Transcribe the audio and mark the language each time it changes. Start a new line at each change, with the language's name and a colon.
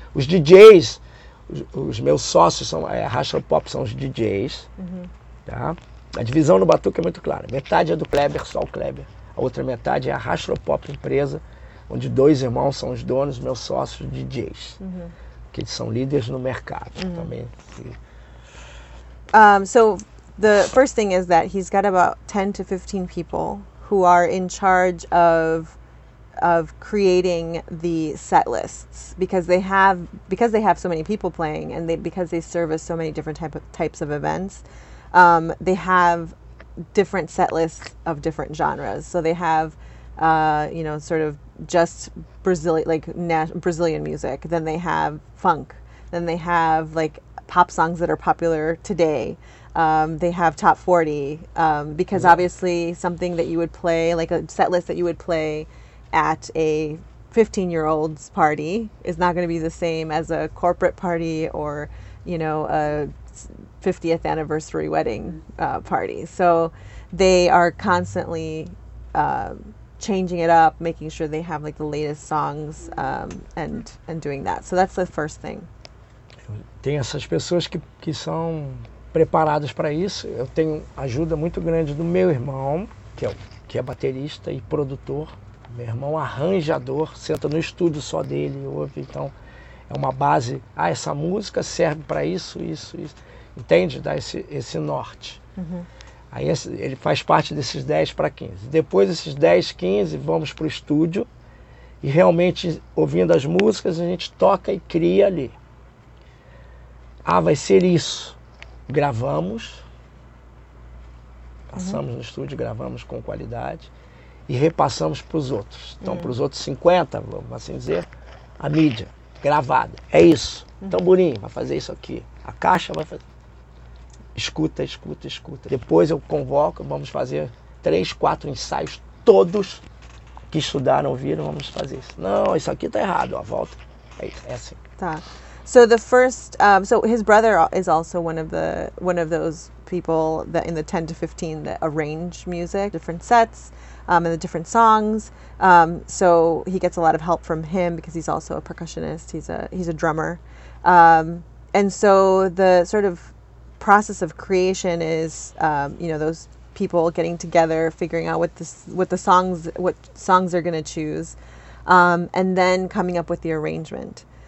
Portuguese: Os DJs, os meus sócios são Rachel Pop, são os DJs. Uhum. Tá? A divisão no batuque é muito clara. Metade é do Kleber, só o Kleber. A outra metade é a Rachel Pop empresa, onde dois irmãos são os donos, meus sócios, DJs. Uhum. Que eles são líderes no mercado. Uhum. Também.
English: So the first thing is that he's got about 10 to 15 people who are in charge of creating the set lists, because they have so many people playing, and because they service so many different types of events, they have different set lists of different genres. So they have, sort of just Brazilian music. Then they have funk. Then they have like pop songs that are popular today. They have top 40, because obviously something that you would play, like a set list that you would play at a 15-year-old's party is not going to be the same as a corporate party or, a 50th anniversary wedding party. So they are constantly changing it up, making sure they have, like, the latest songs and doing that. So that's the first thing.
Portuguese: Tem essas pessoas que são preparadas para isso. Eu tenho ajuda muito grande do meu irmão, que é baterista e produtor. Meu irmão arranjador, senta no estúdio só dele, ouve, então é uma base. Ah, essa música serve para isso, entende? Dá esse norte. Uhum. Aí ele faz parte desses 10 para 15. Depois desses 10, 15, vamos para o estúdio e realmente, ouvindo as músicas, a gente toca e cria ali. Ah, vai ser isso. Gravamos, passamos no estúdio, gravamos com qualidade. E repassamos para os outros. Então, para os outros 50, vamos assim dizer, a mídia gravada. É isso. Tamborim vai fazer isso aqui. A caixa vai fazer. Escuta. Depois eu convoco, vamos fazer 3, 4 ensaios, todos que estudaram, ouviram, vamos fazer isso. Não, isso aqui está errado. Ó, volta. É isso. É assim. Tá.
English: So the first, so his brother is also one of those people that in the 10 to 15 that arrange music, different sets, and the different songs. So he gets a lot of help from him because he's also a percussionist. He's a drummer. And so the sort of process of creation is, those people getting together, figuring out what songs they're going to choose, and then coming up with the arrangement.